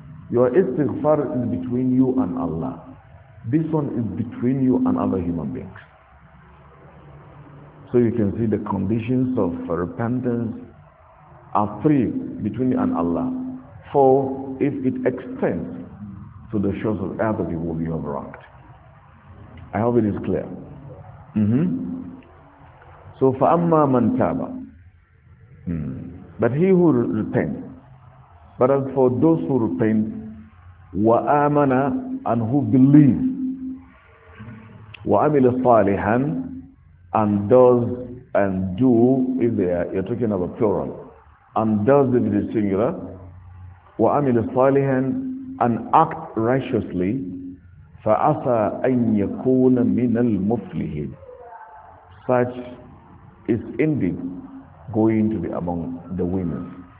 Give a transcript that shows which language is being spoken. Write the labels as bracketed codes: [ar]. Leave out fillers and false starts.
[en] Your istighfar is between you and Allah. This one is between you and other human beings. So you can see the conditions of repentance are three, between you and Allah. Four, if it extends to the shores of other people you have wronged. I hope it is clear. So [ar] فَأَمَّا مَنْ تَابَ. [en] But he who repents. But as for those who repent, [ar] وَآمَنَ, [en] and who believe, [ar] وَعَمِلَ صَالِحًا, [en] and does and do, if they are, you're talking about plural, and does if it is singular, وَعَمِلَ صَالِحًا, and act righteously, [ar] فَأَثَى أَنْ يَكُونَ مِنَ الْمُفْلِحِينَ, [en] such is indeed going to be among the winners.